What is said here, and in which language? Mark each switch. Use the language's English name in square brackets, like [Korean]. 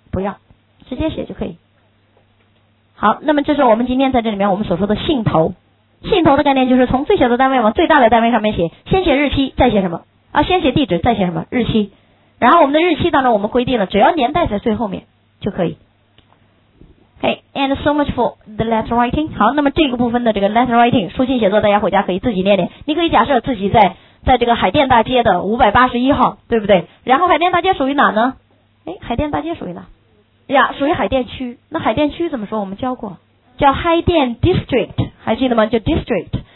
[Chinese] 不要，直接写就可以。好，那么这是我们今天在这里面我们所说的信头。信头的概念就是从最小的单位往最大的单位上面写，先写日期再写什么先写地址再写什么日期，然后我们的日期当中我们规定了只要年代在最后面就可以。 [English] Okay, and so much for the letter writing. [Chinese] 好，那么这个部分的这个 letter writing 书信写作，大家回家可以自己练练。你可以假设自己在这个海淀大街的581号，对不对？然后海淀大街属于哪呢？海淀大街属于哪呀？属于海淀区。那海淀区怎么说？我们教过，叫海淀 district， 还记得吗？叫 district。